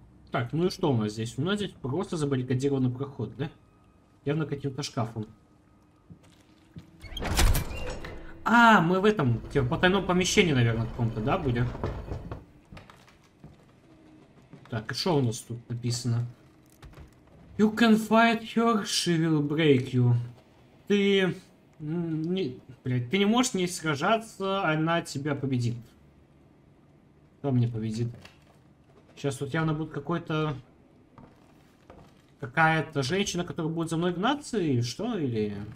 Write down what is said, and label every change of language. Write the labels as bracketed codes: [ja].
[ru] Так, ну и что у нас здесь? У нас здесь просто забаррикадированный проход, да? Явно каким-то шкафом. А, мы в этом, типа, потайном помещении, наверное, в каком-то, да, будем? Так, и что у нас тут написано? [en] You can fight her, she will break you. [ru] Ты... Не, блядь, ты не можешь с ней сражаться, она тебя победит. Кто мне победит? Сейчас тут явно будет какой-то... Какая-то женщина, которая будет за мной гнаться, или что, или...